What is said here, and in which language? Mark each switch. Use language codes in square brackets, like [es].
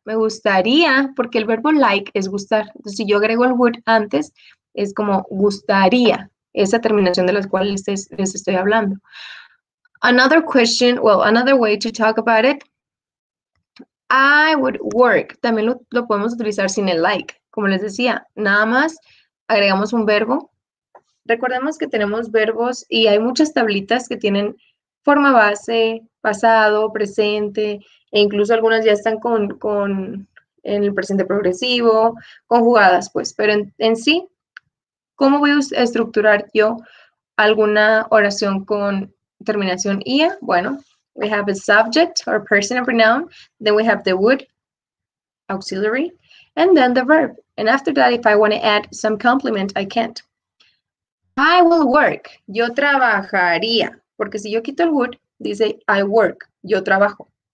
[es] Me gustaría, porque el verbo like es gustar. Entonces, si yo agrego el would antes, es como gustaría. Esa terminación de la cual les estoy hablando. [en] Another question, well, another way to talk about it. I would work. [es] También lo podemos utilizar sin el like. Como les decía, nada más agregamos un verbo. Recordemos que tenemos verbos y hay muchas tablitas que tienen forma base, pasado, presente, e incluso algunas ya están con en el presente progresivo, conjugadas, pues. Pero en sí, ¿cómo voy a estructurar yo alguna oración con terminación ia? [en] Bueno, we have a subject or person or pronoun, then we have the would, auxiliary, and then the verb. And after that, if I want to add some complement, I can't. I will work. [es] Yo trabajaría. Porque si yo quito el would, dice [en] I work. [es] Yo trabajo.